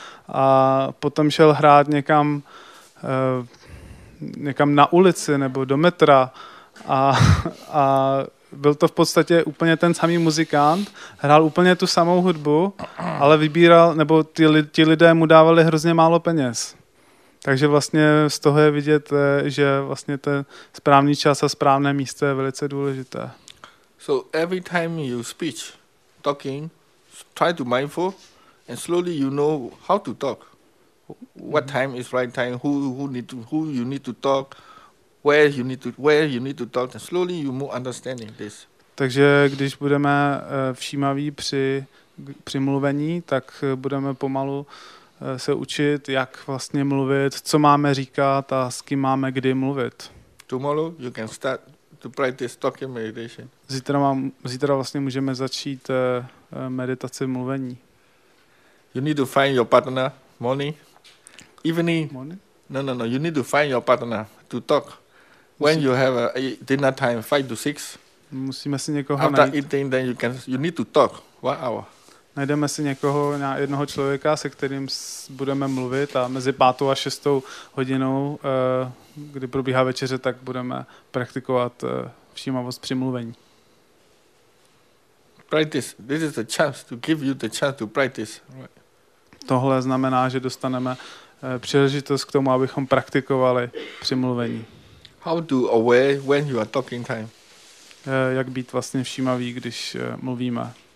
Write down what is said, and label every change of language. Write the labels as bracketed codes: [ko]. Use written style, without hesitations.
[cs] A potom šel hrát někam na ulici nebo do metra a byl to v podstatě úplně ten samý muzikant, hrál úplně tu samou hudbu, ale vybíral, nebo ti lidé mu dávali hrozně málo peněz. Takže vlastně z toho je vidět, že vlastně ten správný čas a správné místo je velice důležité. [en] So every time you speech, talking, try to mindful and slowly you know how to talk. What time is right time? Who you need to talk? Where you need to talk? And slowly you move understanding this. [cs] Takže když budeme všímaví při mluvení, tak budeme pomalu se učit, jak vlastně mluvit, co máme říkat a s kým máme kdy mluvit. [en] Tomorrow you can start to practice talking meditation. [cs] Zítra vlastně můžeme začít meditaci mluvení. [en] You need to find your partner, morning. Evening. You need to find your partner to talk. When you have a dinner time, 5 to 6. [cs] Musíme si někoho [en] after [cs] najít. [en] After eating, then you need to talk 1 hour. [cs] Najdeme si někoho, jednoho člověka, se kterým budeme mluvit a mezi 5 a 6 hodinou, kdy probíhá večeře, tak budeme praktikovat všímavost při mluvení. [en] Practice. This is a chance to give you the chance to practice. [cs] Tohle znamená, že dostaneme příležitost k tomu, abychom praktikovali při mluvení. [en] How to aware when you are talking time? [cs] Jak být vlastně všímavý, když mluvíme?